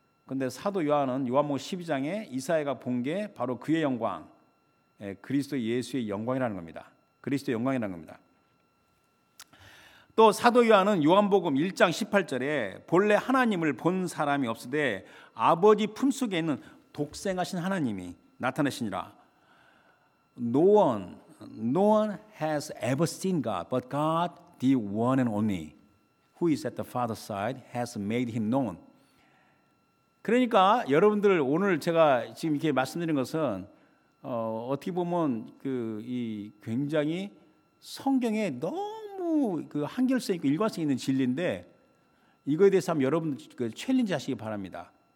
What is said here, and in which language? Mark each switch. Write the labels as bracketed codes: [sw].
[ko] 그런데 사도 요한은 요한복음 12장에 이사야가 본 게 바로 그의 영광, 그리스도 예수의 영광이라는 겁니다. 그리스도 영광이라는 겁니다. 또 사도 요한은 요한복음 1장 18절에 본래 하나님을 본 사람이 없으되 아버지 품속에 있는 독생하신 하나님이 나타나시니라. [en] No one has ever seen God, but God, the one and only, who is at the Father's side, has made him known. [ko] 그러니까 여러분들 오늘 제가 지금 이렇게 말씀드린 것은 어떻게 보면 굉장히 성경에 너무 그 한결성 있고 일관성 있는 진리인데, 이거에 대해서 한번 여러분 그 챌린지 하시기 바랍니다.